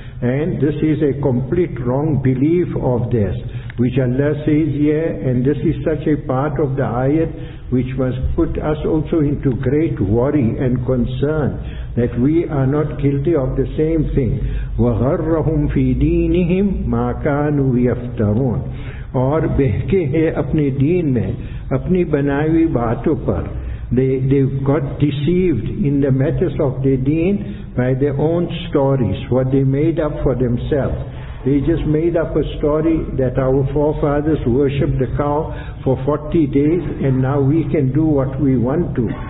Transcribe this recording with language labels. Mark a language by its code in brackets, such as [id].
[en] And this is a complete wrong belief of theirs, which Allah says here, and this is such a part of the ayat which must put us also into great worry and concern, that we are not guilty of the same thing. [ar] وَغَرَّهُمْ فِي دِينِهِمْ مَا كَانُوا يَفْتَرُونَ. [ur] اور بہکے ہیں اپنے دین میں اپنی بنائی باتوں پر. [en] They got deceived in the matters of their deen by their own stories, what they made up for themselves. They just made up a story that our forefathers worshipped the cow for 40 days and now we can do what we want to.